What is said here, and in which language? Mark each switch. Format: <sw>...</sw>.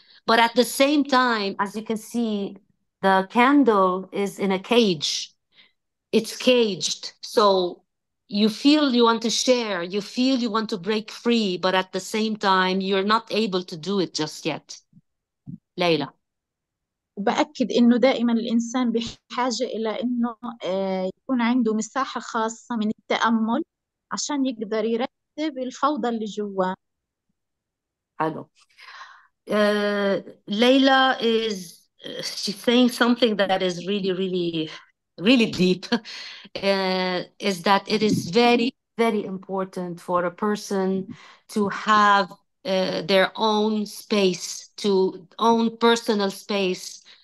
<en>But at the same time, as you can see, the candle is in a cage. It's caged. So you feel you want to share, you feel you want to break free, but at the same time, you're not able to do it just yet. Leila.</en> <ar>بأكد إنه دائما الإنسان بحاجة إلى إنه يكون عنده مساحة خاصة من التأمل عشان يقدر يرتب الفوضى اللي جواه.</ar> <en>Hello. Leila is she's saying something that is really, really, really deep. Is that it is very, very important for a person to have their own space, to own personal space.</en>